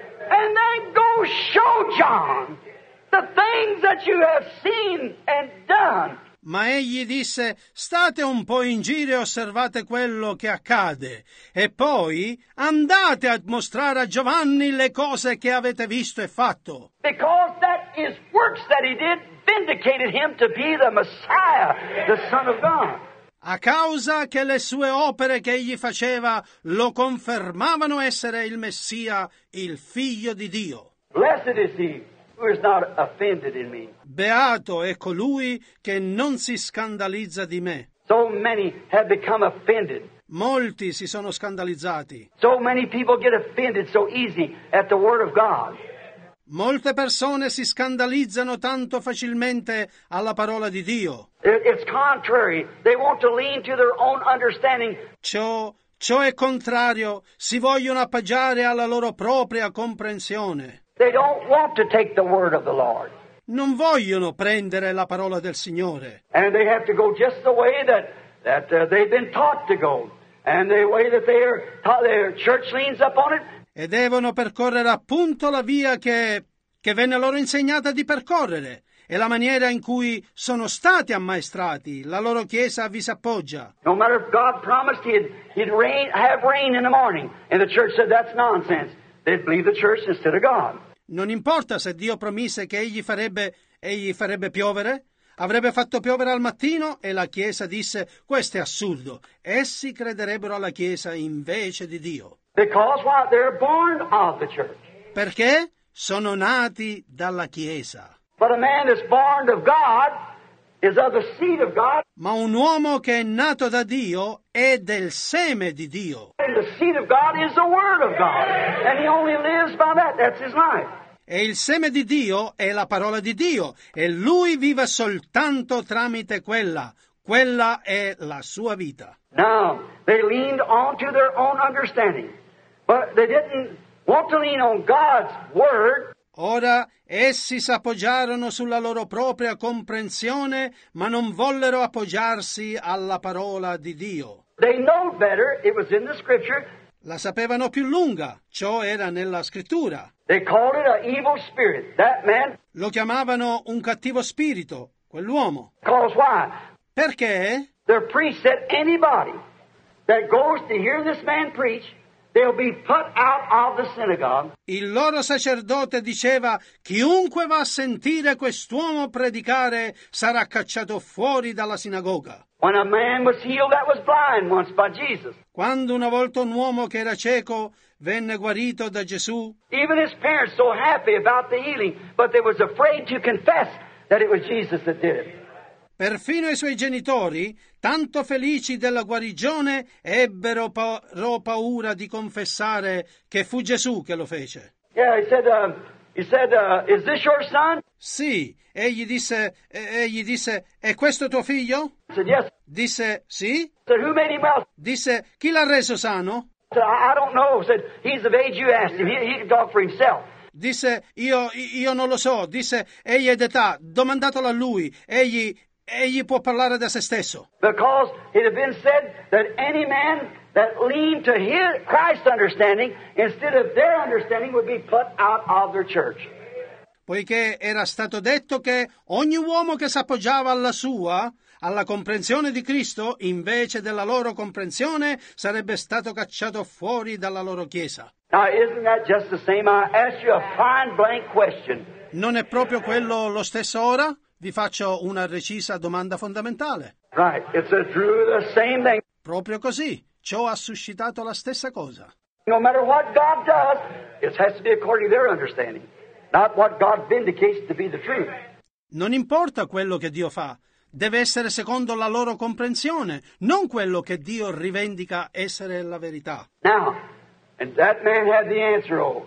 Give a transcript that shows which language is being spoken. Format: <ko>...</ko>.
<en>And then go show John the things that you have seen and done.</en> <it>Ma egli disse, state un po' in giro e osservate quello che accade. E poi andate a mostrare a Giovanni le cose che avete visto e fatto.</it> <en>Because that is works that he did vindicated him to be the Messiah, the Son of God.</en> <it>A causa che le sue opere che egli faceva lo confermavano essere il Messia, il Figlio di Dio.</it> <en>Blessed is he who who is not offended in me.</en> <it>Beato è colui che non si scandalizza di me.</it> <en>So many have become offended.</en> <it>Molti si sono scandalizzati.</it> <en>So many people get offended so easy at the word of God.</en> <it>Molte persone si scandalizzano tanto facilmente alla parola di Dio.</it> <en>It's contrary. They want to lean to their own understanding.</en> <it>Ciò è contrario. Si vogliono appoggiare alla loro propria comprensione.</it> <en>They don't want to take the word of the Lord.</en> <it>Non vogliono prendere la parola del Signore.</it> <en>And they have to go just the way that they've been taught to go. And the way that their church leans up on it.</en> <it>E devono percorrere appunto la via che venne loro insegnata di percorrere e la maniera in cui sono stati ammaestrati, la loro chiesa vi si appoggia.</it> <en>No matter if God promised he'd rain, have rain in the morning, and the church said that's nonsense, they'd believe the church instead of God.</en> <it>Non importa se Dio promise che egli farebbe piovere, avrebbe fatto piovere al mattino e la chiesa disse questo è assurdo, essi crederebbero alla chiesa invece di Dio.</it> <en>Because why? They're born of the church.</en> <it>Perché sono nati dalla Chiesa.</it> <en>But a man that's born of God is of the seed of God.</en> <it>Ma un uomo che è nato da Dio è del seme di Dio.</it> <en>And the seed of God is the word of God. And he only lives by that. That's his life.</en> <it>E il seme di Dio è la parola di Dio. E lui vive soltanto tramite quella. Quella è la sua vita.</it> <en>Now, they leaned on to their own understanding, but they didn't want to lean on God's word.</en> <it>Ora, essi si appoggiarono sulla loro propria comprensione, ma non vollero appoggiarsi alla parola di Dio.</it> <en>They know better, it was in the scripture.</en> <it>La sapevano più lunga, ciò era nella scrittura.</it> <en>They called it an evil spirit, that man.</en> <it>Lo chiamavano un cattivo spirito, quell'uomo.</it> <en>Because why?</en> <it>Perché?</it> <en>Their priest said anybody that goes to hear this man preach, they'll be put out of the synagogue.</en> <it>Il loro sacerdote diceva, chiunque va a sentire quest'uomo predicare sarà cacciato fuori dalla sinagoga.</it> <en>When a man was healed that was blind once by Jesus.</en> <it>Quando una volta un uomo che era cieco venne guarito da Gesù.</it> <en>Even his parents so happy about the healing, but they was afraid to confess that it was Jesus that did it.</en> <it>Perfino i suoi genitori, tanto felici della guarigione, ebbero paura di confessare che fu Gesù che lo fece.</it> <en>Yeah, he said, is this your son?</en> <it>Sì, egli disse, è questo tuo figlio?</it> <en>I said, yes.</en> <it>Disse, sì.</it> <en>I said, who made him well?</en> <it>Disse, chi l'ha reso sano?</it> <en>I said, I don't know. I said, he's of age, you asked him. He can talk for himself.</en> <it>Disse, io non lo so. Disse, egli è d'età. Domandatelo a lui. Egli può parlare da se stesso.</it> <en>Because it had been said that any man that leaned to his Christ's understanding instead of their understanding would be put out of their church.</en> <it>Poiché era stato detto che ogni uomo che si appoggiava alla sua, alla comprensione di Cristo, invece della loro comprensione, sarebbe stato cacciato fuori dalla loro chiesa.</it> <en>Now isn't that just the same? I asked you a fine blank question.</en> <it>Non è proprio quello lo stesso ora? Vi faccio una recisa domanda fondamentale.</it> <en>Right. It's true, the same thing.</en> <it>Proprio così. Ciò ha suscitato la stessa cosa.</it> <en>No matter what God does, it has to be according to their understanding, not what God vindicates to be the truth.</en> <it>Non importa quello che Dio fa. Deve essere secondo la loro comprensione, non quello che Dio rivendica essere la verità.</it> <en>Now, and that man had the answer.</en>